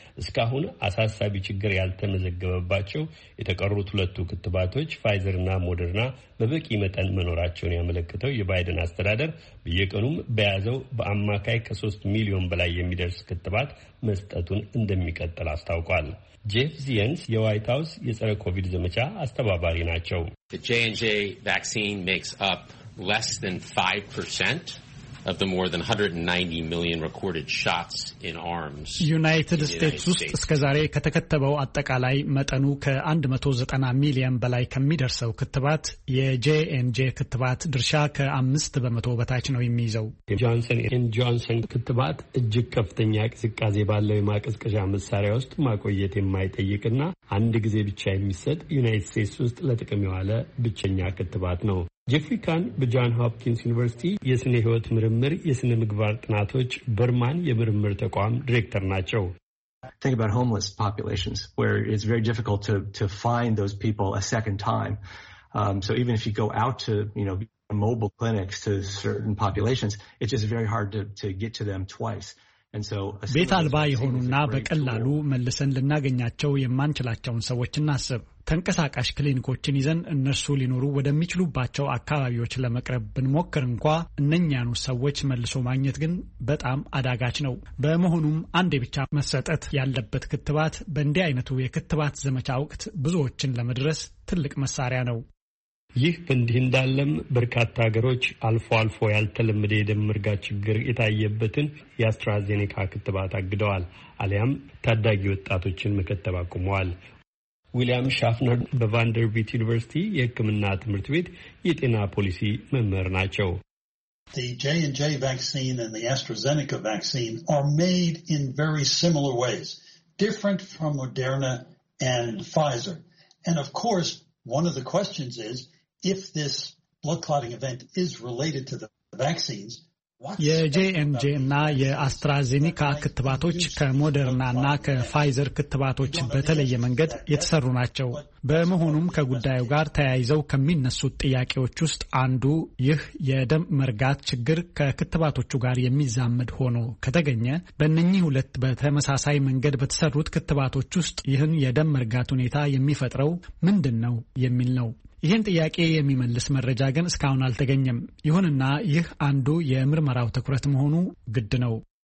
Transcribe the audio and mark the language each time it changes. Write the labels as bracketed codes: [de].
[am] እስካሁን አሳሳቢ ችግር ያልተመዘገበባቸው የተቀሩት 2 ክትባቶች ፋይዘር እና ሞደርና በበቂ መጠን መኖራቸውን ያመለከተው የባይደን አስተዳደር በየቀኑም በያዘው በአማካይ ከ3 ሚሊዮን በላይ የሚደርስ ክትባት መስጠቱን እንደሚቀጥል አስታውቋል። ጄፍ ዚየንስ የዋይት ሃውስ የጸረ ኮቪድ ዘመቻ አስተባባሪ ናቸው። [en] The J&J vaccine makes up less than 5% of the more than 190 million recorded shots in arms. [am] ዩናይትድ ስቴትስ ውስጥ እስከዛሬ ከተከተበው አጠቃላይ መጠኑ ከ190 ሚሊዮን በላይ ከሚደርሰው ክትባት የJ&J ክትባት ድርሻ ከ5% በታች ነው የሚይዘው። ጆንሰን ኤንድ ጆንሰን ክትባት እጅግ ከፍተኛ ቅዝቃዜ ባለው የማቀዝቀዣ መሳሪያ ውስጥ ማቆየት የማይጠይቅና አንድ ጊዜ ብቻ የሚሰጥ ዩናይትድ ስቴትስ ውስጥ ለጥቅም የዋለ ብቸኛ ክትባት ነው። ጄፍሪ ካን በጆን ሆፕኪንስ ዩኒቨርሲቲ የስነ ህይወት ምርምር የስነ ምግባር ጥናቶች በርማን የምርምር ተቋም ዲሬክተር ናቸው። [en] Think about homeless populations where it's very difficult to find those people a second time. So even if you go out to, you know, mobile clinics to certain populations, it's just very hard to get to them twice. [am] ቤት አልባ የሆኑና በቀላሉ መልሰን ልናገኛቸው የማንችላቸውን ሰዎች እናስብ። ተንቀሳቃሽ ክሊኒኮችን ይዘን እነርሱ ሊኖሩ ወደሚችሉባቸው አካባቢዎች ለመቅረብ ብንሞክር እንኳ እነኛኑ ሰዎች መልሶ ማግኘት ግን በጣም አዳጋች ነው። በመሆኑም አንዴ ብቻ መሰጠት ያለበት ክትባት በእንዲህ አይነቱ የክትባት ዘመቻ ወቅት ብዙዎችን ለመድረስ ትልቅ መሳሪያ ነው። ይህ በእንዲህ እንዳለም በርካታ ሀገሮች አልፎ አልፎ ያልተለመደ የደም መርጋት ችግር የታየበትን የአስትራዜኔካ ክትባት አግደዋል አሊያም ታዳጊ ወጣቶችን መከተብ አቁመዋል። ዊሊያም ሻፍነር በቫንደርቢት ዩኒቨርሲቲ የሕክምና ትምህርት ቤት የጤና ፖሊሲ መምህር ናቸው። [en] The J&J vaccine and the AstraZeneca vaccine are made in very similar ways, different from Moderna and Pfizer. And of course, one of the questions is, if this blood clotting event is related to the vaccines, [am] የJ&J እና የአስትራዜኒካ ክትባቶች ከሞደርና እና ከፋይዘር ክትባቶች በተለየ መንገድ የተሰሩ ናቸው። በመሆኑም ከጉዳዩ ጋር ተያይዘው ከሚነሱት ጥያቄዎች ውስጥ አንዱ ይህ የደም መርጋት ችግር ከክትባቶቹ ጋር የሚዛመድ ሆኖ ከተገኘ በእነኚህ ሁለት በተመሳሳይ መንገድ በተሰሩት ክትባቶች ውስጥ ይህን የደም መርጋት ሁኔታ የሚፈጥረው ምንድነው የሚል ነው። ይህን ጥያቄ የሚመልስ መረጃ ግን እስካሁን አልተገኘም። ይሁንና ይህ አንዱ የምርመራው ትኩረት መሆኑ ግድ ነው።